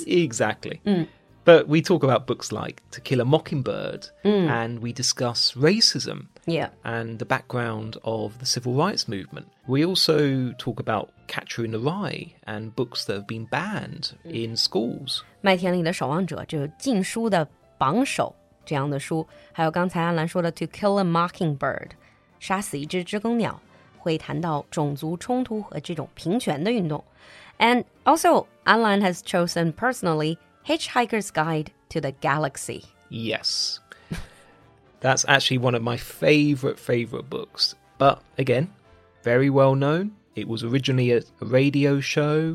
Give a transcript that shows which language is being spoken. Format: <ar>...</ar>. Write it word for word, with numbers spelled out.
<en>Exactly. Mm. But we talk about books like To Kill a Mockingbird, Mm. and we discuss racism Yeah. and the background of the civil rights movement. We also talk about Catcher in the Rye and books that have been banned in schools.</en> <zh>麦田里的守望者就是禁书的榜首这样的书，还有刚才安澜说的 To Kill a Mockingbird 杀死一只知更鸟，会谈到种族冲突和这种平权的运动。</zh> <en>And also Anlan has chosen personally Hitchhiker's Guide to the Galaxy. Yes. That's actually one of my favourite, favourite books. But again, very well known. It was originally a, a radio show,</en>